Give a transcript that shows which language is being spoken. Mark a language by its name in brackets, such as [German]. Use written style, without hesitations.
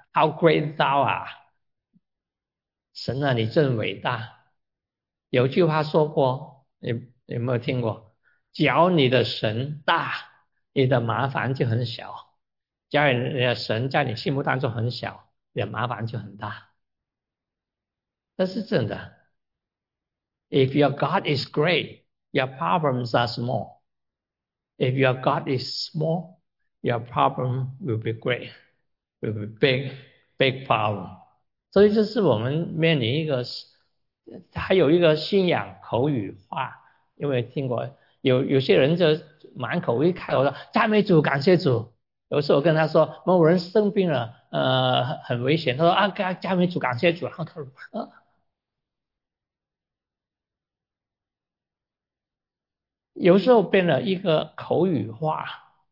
[English] How great thou art！ [Chinese] 神啊，你真伟大。有句话说过，你有没有听过？只要你的神大，你的麻烦就很小；只要你的神在你心目当中很小，你的麻烦就很大。这是真的。 [English] If your God is great, your problems are small. If your God is small, your problem will be great, will be big. Big problem， [Chinese] 所以这是我们面临一个，还有一个信仰口语化。有没有听过？有些人就满口一开口说赞美主，感谢主。有时候我跟他说某人生病了，很危险。他说啊，赞美主，感谢主。然后他说有时候变了一个口语化。